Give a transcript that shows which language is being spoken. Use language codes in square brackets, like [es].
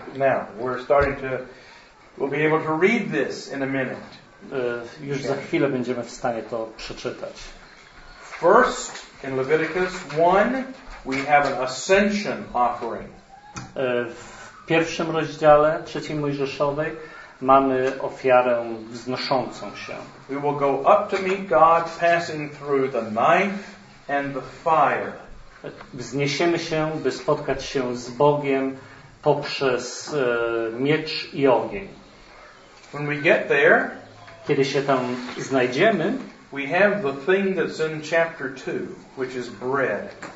[en] Now, we're starting to we'll be able to read this in a minute. [pl] Już okay. Za chwilę będziemy w stanie to przeczytać. [en] First in Leviticus 1 we have an ascension offering. [pl] W pierwszym rozdziale trzeciej Mojżeszowej mamy ofiarę wznoszącą się. [en] We will go up to meet God, passing through the knife and the fire. [pl] Wzniesiemy się, by spotkać się z Bogiem poprzez miecz i ogień. [en] When we get there, [pl] kiedy się tam znajdziemy, [en] we have the thing that's in chapter 2, which is bread.